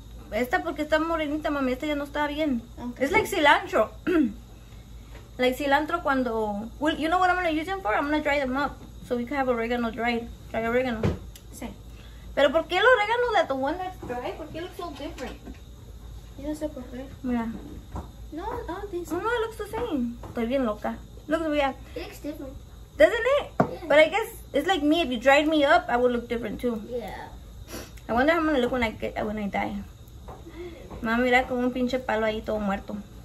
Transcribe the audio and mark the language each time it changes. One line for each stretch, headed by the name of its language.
Spanish: Esta porque está morenita, mami, esta ya no está bien.
English: Okay. It's like cilantro. Like cilantro
Spanish: cuando...
English: Well, you know what I'm going to use them for? I'm going to dry them up so we can have oregano dried. Dry oregano.
Spanish: Sí. Pero ¿por qué el oregano,
English: like the one that's dry,
Spanish: por qué
English: looks so different?
Spanish: Yo no sé por qué. Mira.
English: No, I don't think so. Oh, no, it looks the same.
Spanish: Estoy bien loca.
English: Look, we have... It looks different. Doesn't it? Yeah. But I guess it's like me. If you dried me up, I would look different too. Yeah. I wonder how I'm going to look when I die.
Spanish: Mami, mira con un pinche palo ahí todo muerto.